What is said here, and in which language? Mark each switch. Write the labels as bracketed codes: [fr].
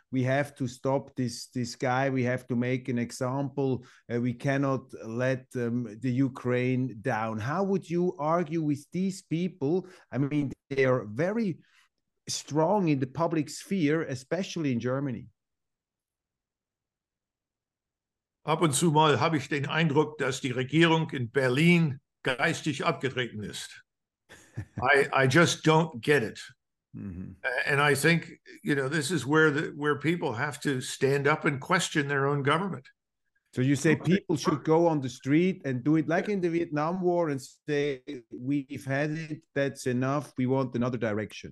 [en] We have to stop this guy. We have to make an example. We cannot let the Ukraine down. How would you argue with these people? I mean, they are very strong in the public sphere, especially in Germany. [de] Ab und zu mal habe ich den Eindruck, dass die Regierung in Berlin geistig abgetreten ist. [en] I just don't get it. Mm-hmm. And I think, you know, this is where people have to stand up and question their own government. So you say people should go on the street and do it like in the Vietnam War and say, we've had it, that's enough, we want another direction.